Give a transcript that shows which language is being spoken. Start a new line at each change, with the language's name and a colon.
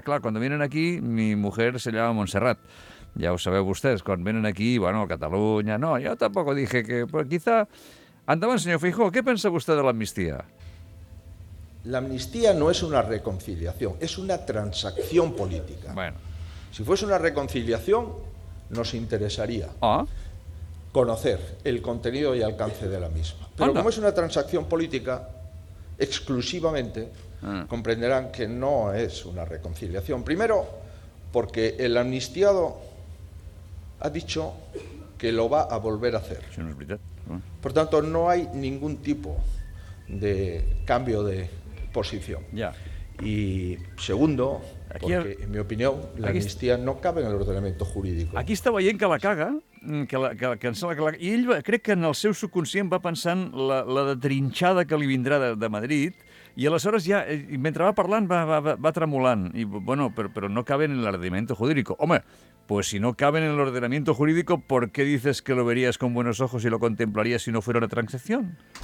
Catalan: Clar, quan venen aquí,
Spanish: mi mujer se llama Montserrat.
Catalan: Ja ho sabeu vostès, quan venen aquí, bueno, Catalunya... No, jo tampoc
Spanish: dije que...
Catalan: Però
Spanish: quizá...
Catalan: Endavant, senyor Feijóo, què pensa vostè de l'amnistia? L'amnistia no és una reconciliació, és una transacció política.
Spanish: Bueno.
Catalan: Si fos una reconciliació, nos interessaria. Ah,
Spanish: conocer el contenido y alcance de la misma. Pero anda, como es una transacción política, exclusivamente, comprenderán que no es una reconciliación. Primero, porque el amnistiado ha dicho que lo va a volver a hacer. Eso no es verdad. Por tanto, no hay ningún tipo de cambio de posición. Ya. Y segundo, aquí, porque en mi opinión, la amnistía no cabe en el ordenamiento jurídico.
Catalan: Aquí está veient que la caga... I ell va, crec que en el seu subconscient va pensant la de trinxada que li vindrà de Madrid, i aleshores ja, mentre va parlant, va tremolant. I, bueno, però no
Spanish: caben en l'ordenamiento jurídico. Home, pues si no caben en l'ordenamiento jurídico, ¿por qué dices que lo verías con buenos ojos y lo contemplarías si no fuera una transacción?